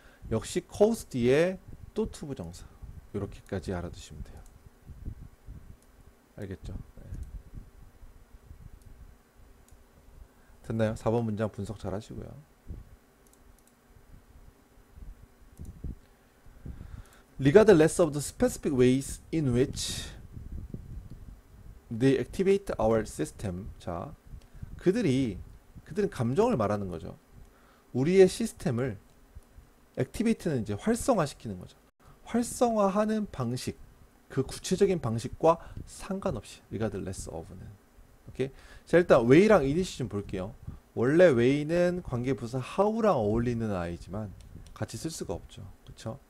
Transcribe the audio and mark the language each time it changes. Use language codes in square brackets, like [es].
[ko] 역시 cause 뒤에 또 투부정사. 이렇게까지 알아두시면 돼요. 알겠죠? 예. 됐나요? 4번 문장 분석 잘 하시고요. [en] 'Regardless of the specific ways in which they activate our system.' [ko] 자, 그들은 감정을 말하는 거죠. 우리의 시스템을 액티베이트는 이제 활성화시키는 거죠. 활성화하는 방식, 그 구체적인 방식과 상관없이 regardless of는. 오케이? 자, 일단 way랑 initial 좀 볼게요. 원래 way는 관계부사 how랑 어울리는 아이지만 같이 쓸 수가 없죠. 그쵸?